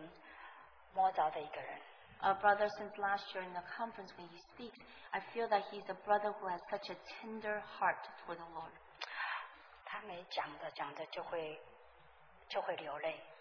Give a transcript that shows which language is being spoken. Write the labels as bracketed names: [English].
[Chinese] 他从去年他上讲台，就是我觉得他是一个好像心是很柔软，被圣灵摸着的一个人。 [English] Our brother, since last year in the conference when he speaks, I feel that he's a brother who has such a tender heart toward the Lord. [Chinese] 他每讲着讲着就会流泪。